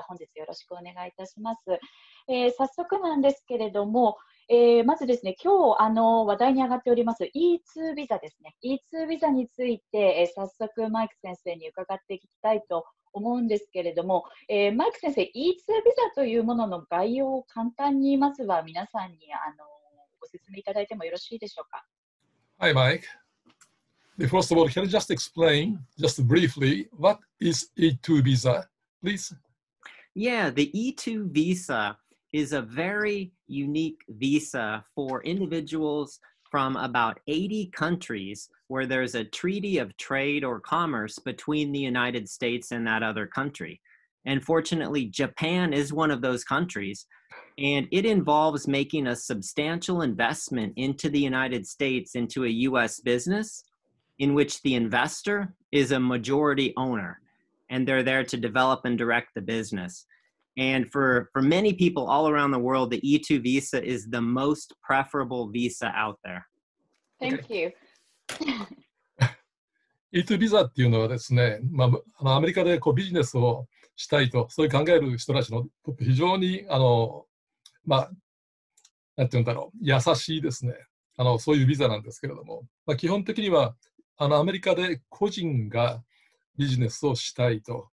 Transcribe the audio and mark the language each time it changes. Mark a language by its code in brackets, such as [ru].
[ja] では本日よろしくお願いいたします。早速なんですけれどもまずですね、今日話題に上がっております E2 ビザですね。 E2 ビザについて、早速マイク先生に伺っていきたいと思うんですけれども、マイク先生、 E2 ビザというものの概要を簡単にまずは皆さんにご説明いただいてもよろしいでしょうか。 [en] Hi Mike. First of all, can you just explain, just briefly, what is E2 visa, please? Yeah, the E2 visa is a very unique visa for individuals from about 80 countries where there's a treaty of trade or commerce between the United States and that other country. And fortunately, Japan is one of those countries. And it involves making a substantial investment into the United States, into a U.S. business in which the investor is a majority owner and they're there to develop and direct the business. And for many people all around the world, the E2 visa is the most preferable visa out there. Thank you. [ja] E2 visa っていうのはですね、まあ、アメリカでこうビジネスをしたいと、そういう考える人たちの非常に、まあ、なんていうんだろう、優しいですね。そういうビザなんですけれども、まあ、基本的には、アメリカで個人がビジネスをしたいと。